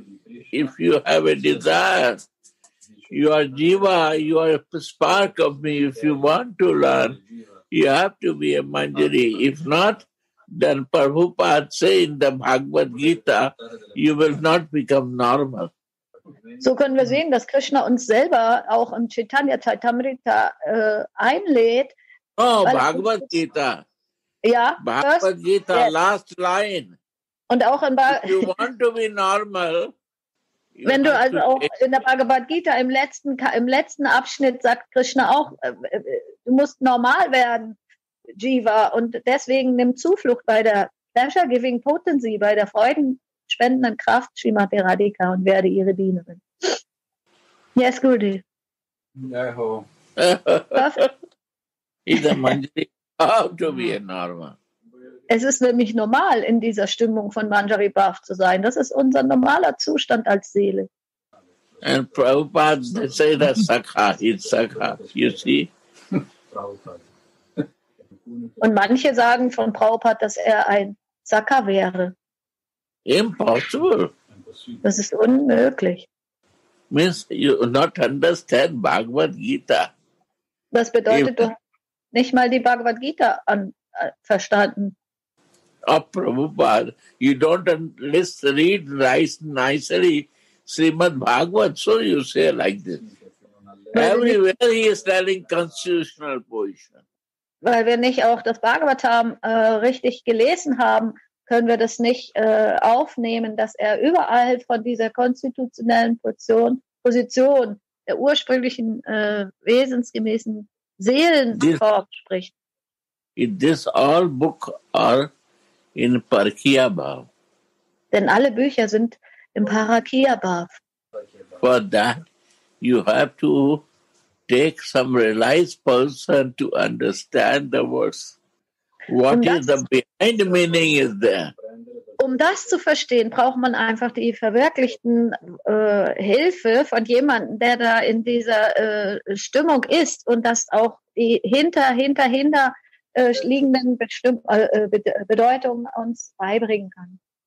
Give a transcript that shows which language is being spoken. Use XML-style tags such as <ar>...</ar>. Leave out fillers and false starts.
<en>If you have a desire, you are Jiva, you are a spark of me. If you want to learn, you have to be a Manjari. If not, then Prabhupada say in the Bhagavad Gita, you will not become normal.</en> <de>So können wir sehen, dass Krishna uns selber auch im Chaitanya Charitamrita einlädt.</de> <en>Oh, Bhagavad Gita.</en> <de>Ja,</de> <en>Bhagavad Gita, yes. Last line.</en> <de>Und auch in</de> <en>if you want to be normal.</en> <de>Wenn du also auch in der Bhagavad Gita im letzten Abschnitt sagt Krishna auch, du musst normal werden, Jiva, und deswegen nimm Zuflucht bei der</de> <en>Pleasure Giving Potency,</en> <de>bei der freudenspendenden Kraft, Srimati Radhika, und werde ihre Dienerin.</de> <en>Yes, Gurudev.</en> <de>Ja, ho.</de> <en>Ida Manjari. How to be a normal.</en> <de>Es ist nämlich normal, in dieser Stimmung von Manjari Bhav zu sein. Das ist unser normaler Zustand als Seele.</de> <en>And Prabhupada, they say that Sakha, it's Sakha, you see.</en> <de>Und manche sagen von Prabhupada, dass er ein Sakha wäre.</de> <en>Impossible.</en> <de>Das ist unmöglich.</de> <en>Means you not understand Bhagavad Gita.</en> <de>Das bedeutet, du nicht mal die Bhagavad Gita verstanden.</de> <en>Oh, Prabhupada, you don't read nicely Srimad Bhagavat, so you say like this. Everywhere he is telling constitutional position.</en> <de>Weil wir nicht auch das Bhagavatam richtig gelesen haben, können wir das nicht aufnehmen, dass er überall von dieser konstitutionellen Position der ursprünglichen wesensgemäßen Seelenkorb spricht.</de> <en>This all book are in Parakiya Bhav.</en> <de>Denn alle Bücher sind im Parakiya Bhav.</de> <en>For that, you have to take some realized person to understand the words. What is the behind meaning is there?</en> <de>Um das zu verstehen, braucht man einfach die verwirklichten Hilfe von jemandem, der da in dieser Stimmung ist und das auch die hinter liegenden Bedeutungen uns beibringen kann.</de>